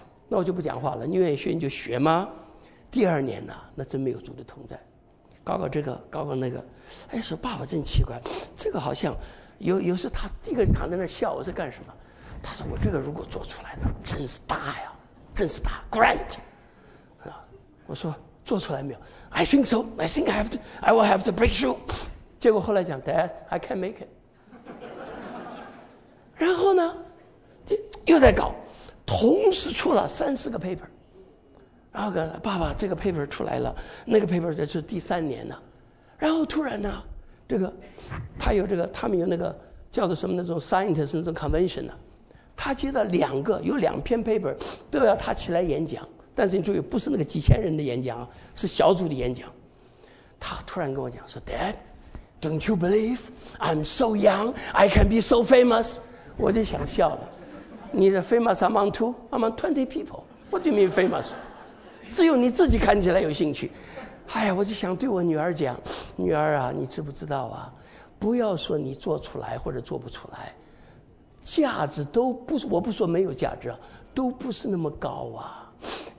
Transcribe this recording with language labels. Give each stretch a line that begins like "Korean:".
Chinese: 那我就不讲话了，你愿意学你就学吗？第二年呢，那真没有主的同在，搞搞这个搞搞那个。哎，说爸爸真奇怪，这个好像有时他一个人躺在那笑，我是干什么？他说我这个如果做出来了，真是大呀，真是大 grand。我说做出来没有 ？
English: I think so. I think I have to. I will have to break through.
Chinese: 结果后来讲
English: ，Dad, I can't make it.
Chinese: 然后呢，这又在搞，同时出了3-4个 paper。然后跟爸爸这个 paper 出来了，那个 paper 这是第三年呢。然后突然呢，这个他有这个，他们有那个叫做什么那种 scientist 那种 convention 呢，他接到两个，有两篇 paper 都要他起来演讲。但是你注意，不是那个几千人的演讲，是小组的演讲。他突然跟我讲说
English: ：“Dad, don't you believe I'm so young? I can be so famous？”
Chinese: 我就想笑了。
English: 你的 famous among two, among 20 people. What do you mean famous?
Chinese: 只有你自己看起来有兴趣。哎呀，我就想对我女儿讲：“女儿啊，你知不知道啊？不要说你做出来或者做不出来，价值都不是，我不说没有价值，都不是那么高啊。”